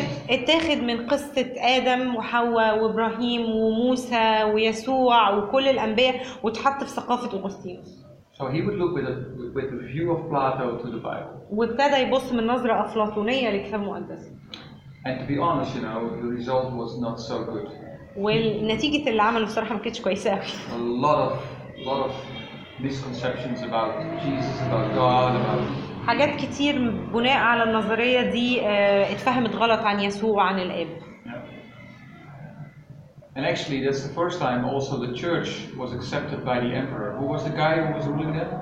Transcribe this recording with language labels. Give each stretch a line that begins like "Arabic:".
Arabic: اتاخد من قصة آدم وحواء وإبراهيم وموسى ويسوع وكل الأنبياء وتحط في ثقافة أغسطينوس.
English: So he would look with a view of Plato to the Bible.
Arabic: وابتدى يبص من نظرة أفلاطونية للكتاب المقدس.
English: And to be honest, you know, the result was not so good.
Arabic: والنتيجة اللي عمله بصراحة ما كانتش كويسة أوي.
English: A lot of misconceptions about Jesus, about God, about.
Arabic: حاجات كتير بناء على النظرية دي اتفهمت غلط عن يسوع وعن الآب.
English: And actually, that's the first time also the church was accepted by the emperor. Who was the guy who was ruling them?